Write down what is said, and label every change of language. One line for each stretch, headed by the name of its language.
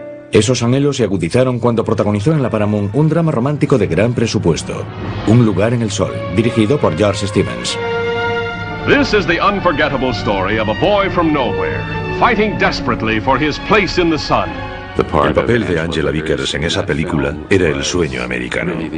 Spanish: Esos anhelos se agudizaron cuando protagonizó en la Paramount un drama romántico de gran presupuesto, Un lugar en el sol, dirigido por George Stevens.
English: This is the unforgettable story of a boy from nowhere, fighting desperately for his place in the sun.
Spanish: El papel de Angela Vickers en esa película era el sueño americano.